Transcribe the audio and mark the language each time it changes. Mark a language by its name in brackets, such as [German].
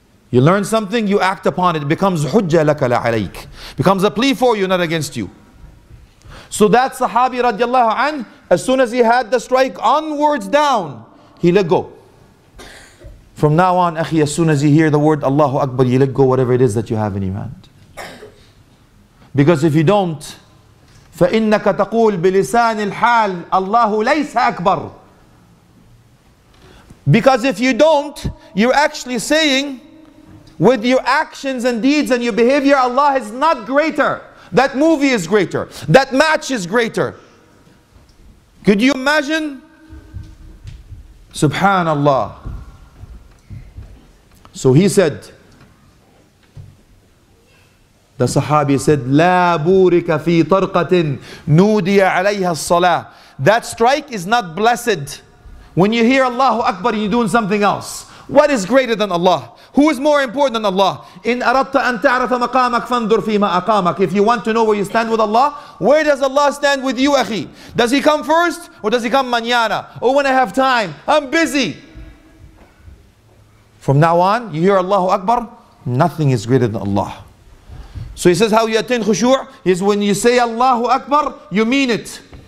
[English] You learn something, you act upon it. It becomes [Arabic] hujjah laka la alayk. [English] Becomes a plea for you, not against you. So that sahabi radiallahu an, as soon as he had the strike onwards down, he let go. From now on, akhi, as soon as you hear the word Allahu Akbar, you let go whatever it is that you have in your hand. Because if you don't, [Arabic] فَإِنَّكَ تَقُولْ بِلِسَانِ الْحَالِ أَللَّهُ لَيْسَ أَكْبَرُ. [English] Because if you don't, you're actually saying with your actions and deeds and your behavior, Allah is not greater. That movie is greater. That match is greater. Could you imagine? Subhanallah. So he said, the Sahabi said, [Arabic] لا بورك في طرقة نودي عليها الصلاة. [English] That strike is not blessed. When you hear Allahu Akbar, you're doing something else. What is greater than Allah? Who is more important than Allah? [Arabic] إن أردت أن تعرف مقامك فانظر فيما أقامك. [English] If you want to know where you stand with Allah, where does Allah stand with you, akhi? Does he come first or does he come manana? Or when I have time, I'm busy. From now on, you hear Allahu Akbar, nothing is greater than Allah. So he says how you attain khushu' is when you say Allahu Akbar, you mean it.